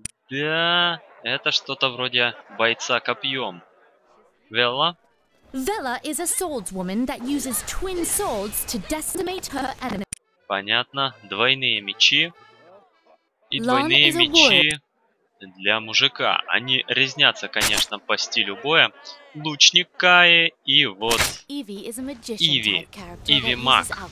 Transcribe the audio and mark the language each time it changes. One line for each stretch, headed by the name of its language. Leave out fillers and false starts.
Russian: Да, это что-то вроде бойца копьем. Вела?
English: Vela is a swordswoman that uses twin swords to decimate her enemy.
Russian: Понятно, двойные мечи. И двойные мечи для мужика. Они резнятся, конечно, по стилю боя. Лучник Каи и вот Иви. Иви маг.